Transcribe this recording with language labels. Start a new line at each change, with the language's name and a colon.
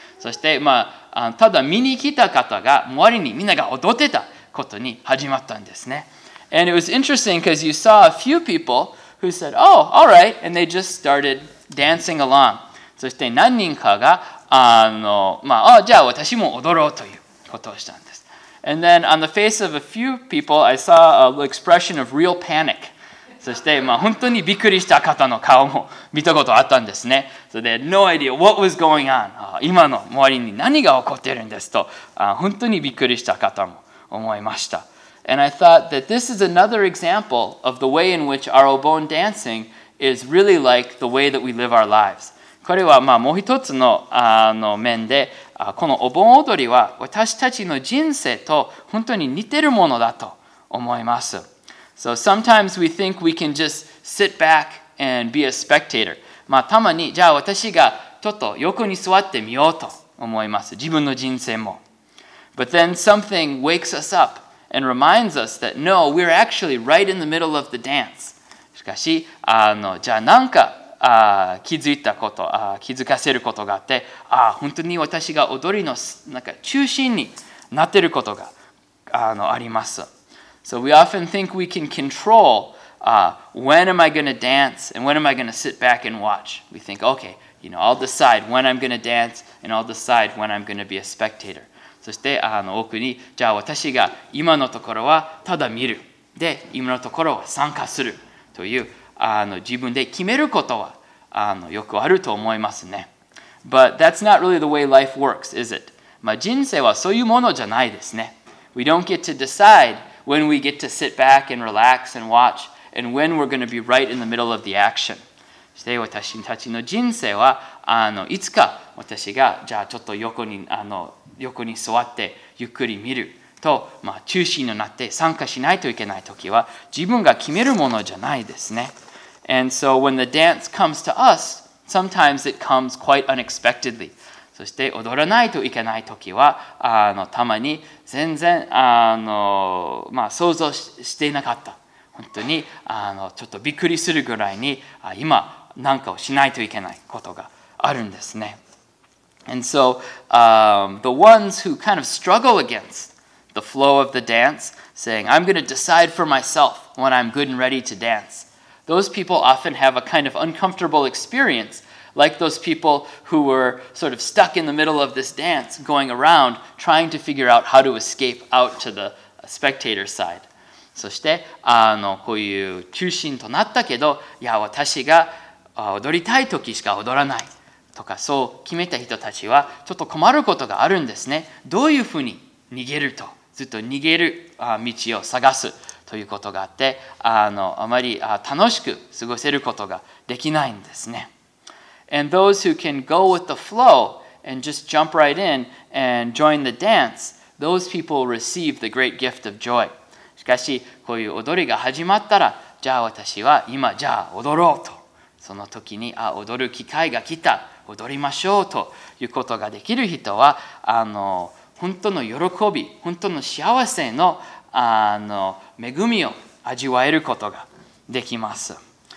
Japanese: そして、まあ、ただ見に来た方が周りにみんなが踊ってたことに始まったんですね。
English: And it was interesting because you saw a few people who said, oh, all right, and they just started dancing along.
Japanese: そして何人かが、まあ、じゃあ私も踊ろうということをしたんです。
English: And then on the face of a few people, I saw an expression of real panic.
Japanese: そして、まあ、本当にびっくりした方の顔も見たことあったんですね。
English: So they had no idea what was going on.
Japanese: 今の周りに何が起こってるんですと、本当にびっくりした方も思いました。
English: And I thought that this is another example of the way in which our Obon dancing is really like the way that we live our lives.
Japanese: これはまあもう一つの、面で、このお盆踊りは私たちの人生と本当に似てるものだと思います。
English: So sometimes we think we can just sit back and be a spectator.
Japanese: まあたまにじゃあ私がちょっと横に座ってみようと思います。自分の人生も。
English: But then something wakes us up and reminds us that no, we're actually right in the middle of the dance.
Japanese: しかし、じゃあなんか気づいたこと、気づかせることがあって、本当に私が踊りのなんか中心になっていることがあります。
English: So we often think we can control, when am I going to dance and when am I going to sit back and watch? We think, okay, you know, I'll decide when I'm going to dance and I'll decide when I'm going to be a spectator.
Japanese: そして奥に、じゃあ私が今のところはただ見る。で、今のところは参加するという自分で決めることはよくあると思いますね。
English: But that's not really the way life works, is it?
Japanese: まあ人生はそういうものじゃないですね。
English: We don't get to decide when we get to sit back and relax and watch and when we're going to be right in the middle of the action.
Japanese: そして私たちの人生はいつか私がじゃあちょっと横に座ってゆっくり見ると、まあ、中心になって参加しないといけないときは自分が決めるものじゃないですね。
English: And so when the dance comes to us, sometimes it comes quite unexpectedly.
Japanese: そして踊らないといけないときはたまに全然まあ、想像していなかった。本当にちょっとびっくりするぐらいに今なんかをしないといけないことがあるんですね。
English: And so the ones who kind of struggle against the flow of the dance, saying, I'm going to decide for myself when I'm good and ready to dance. Those people often have a kind of uncomfortable experience, like those people who were sort of stuck in the middle of this dance, going around, trying to figure out how to escape out to the spectator side.
Japanese: そして、こういう中心となったけど、いや、私が踊りたい時しか踊らないとか、そう決めた人たちはちょっと困ることがあるんですね。どういうふうに逃げると、ずっと逃げる道を探すということがあって、あまり楽しく過ごせることができないんですね。
English: And those who can go with the flow and just jump right in and join the dance, those people receive the great gift of joy.
Japanese: しかし、こういう踊りが始まったら、じゃあ私は今、じゃあ踊ろうと。その時に、踊る機会が来た、踊りましょうということができる人は、本当の喜び、本当の幸せの、恵みを味わえることができます。